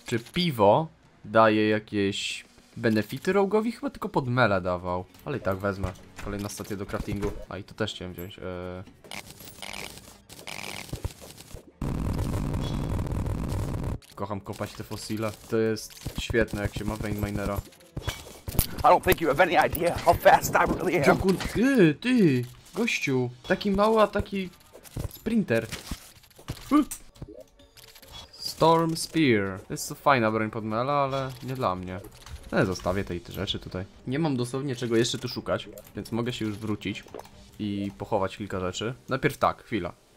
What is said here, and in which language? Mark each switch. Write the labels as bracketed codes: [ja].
[pl] Czy piwo daje jakieś benefity Rogue'owi? Chyba tylko pod mele dawał. Ale i tak wezmę. Kolejna stacja do craftingu. A i to też chciałem wziąć. Kocham kopać te fosile. To jest świetne, jak się ma vein minera. [en] I don't think you have any idea how fast I really am. [pl] Dziękuję. Ty, gościu. Taki mały, a taki sprinter. Storm Spear. To jest to fajna broń pod mele, ale nie dla mnie. Ale zostawię te rzeczy tutaj. Nie mam dosłownie czego jeszcze tu szukać, więc mogę się już wrócić i pochować kilka rzeczy. Najpierw tak, chwila.